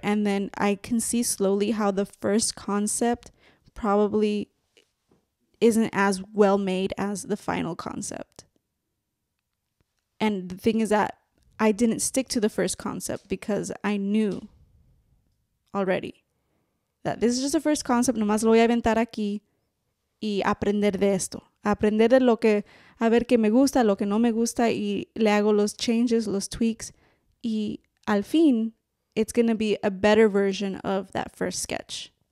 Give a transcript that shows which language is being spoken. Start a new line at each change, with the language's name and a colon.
English: And then I can see slowly how the first concept probably isn't as well made as the final concept. And the thing is that I didn't stick to the first concept because I knew already that this is just the first concept.
Spanish: Nomás lo voy a aventar aquí y aprender de esto. Aprender de lo que, a ver qué me gusta, lo que no me gusta, y le hago los
English: changes,
Spanish: los tweaks. Y al fin,
English: it's going to be a better version of that first sketch.